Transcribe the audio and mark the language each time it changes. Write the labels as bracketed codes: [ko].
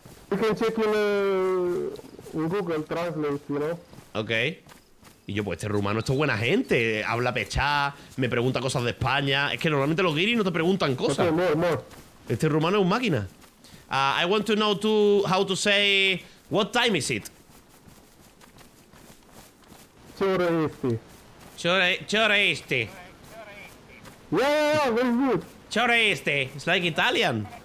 [en] You can check in Google Translate, you know. Okay. [es] Y yo, pues este rumano, esto es buena gente. Habla pechá, me pregunta cosas de España. Es que normalmente los guiris no te preguntan cosas. [en] Okay, more. [es] Este rumano es un máquina. [en] I want to know too how to say what time is it? Choreisti. Yeah, very good. Choreisti. It's like Italian.